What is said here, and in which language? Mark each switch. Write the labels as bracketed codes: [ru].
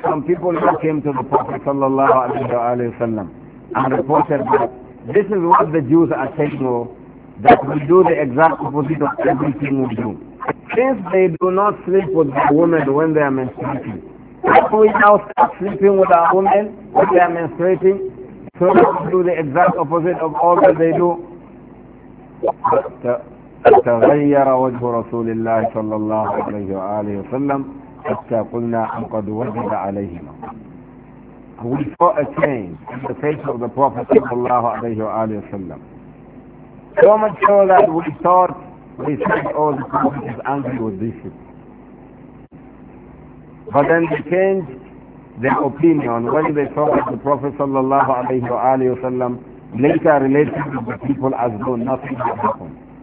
[en] Some people now came to the Prophet sallallahu alayhi wa alayhi wa sallam and reported that this is what the Jews are saying, that we do the exact opposite of everything we do. Since they do not sleep with the women when they are menstruating, if we now start sleeping with our women when they are menstruating, so we do the exact opposite of all that they do. [ar] تغير وجه رسول الله صلى الله عليه وآله وسلم حتى قلنا أن قد وجد عليهما. [en] We saw a change in the face of the Prophet [ar] صلى الله عليه وآله وسلم. [en] So much so that we thought, we said, oh, the Prophet is angry with this. But then they changed their opinion when they saw that the Prophet [ar] صلى الله عليه وآله وسلم [en] later related to the people as though nothing had happened.